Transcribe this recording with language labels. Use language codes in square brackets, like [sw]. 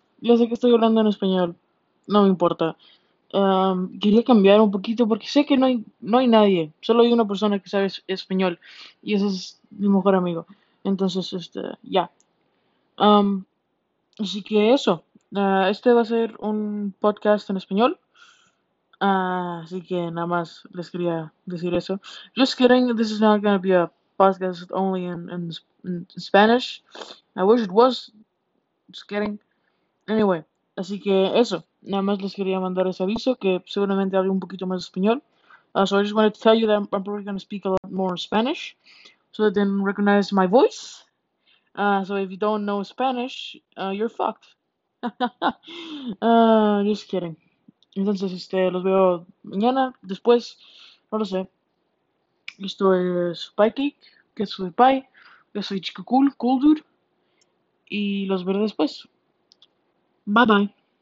[es] Ya sé que estoy hablando en español, no me importa. Quería cambiar un poquito porque sé que no hay nadie, solo hay una persona que sabe español y ese es mi mejor amigo. Entonces, así que eso, este va a ser un podcast en español. Así que nada más les quería decir eso. [en] Just kidding, this is not gonna be a podcast only in Spanish. I wish it was. Just kidding. Anyway, [es] así que eso. Nada más les quería mandar ese aviso que seguramente hablo un poquito más español. [en] So I just wanted to tell you that I'm probably gonna speak a lot more Spanish so that they can recognize my voice. So if you don't know Spanish, you're fucked. just kidding. [es] Entonces, los veo mañana, después, no lo sé. Esto es Spikey, que es de Pai, yo soy Chico Cool, Cool Dude, y los veré después. [en] Bye bye.